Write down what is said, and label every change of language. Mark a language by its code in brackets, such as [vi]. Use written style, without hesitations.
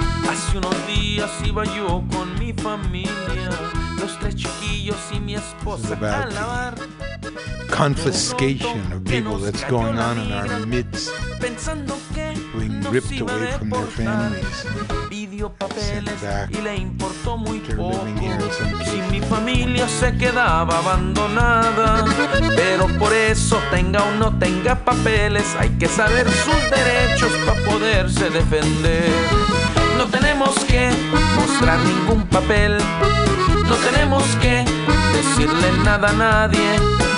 [es] Hace unos días iba yo con mi familia, los tres chiquillos y mi esposa a lavar. [en] Confiscation of people that's going on in our midst, being ripped away from their families, sent back. They're living here in some cases. [es] Si mi familia se quedaba abandonada, pero por eso tenga o no tenga papeles, hay que saber sus derechos para poderse defender. No tenemos que mostrar ningún papel, no tenemos que decirle nada a nadie.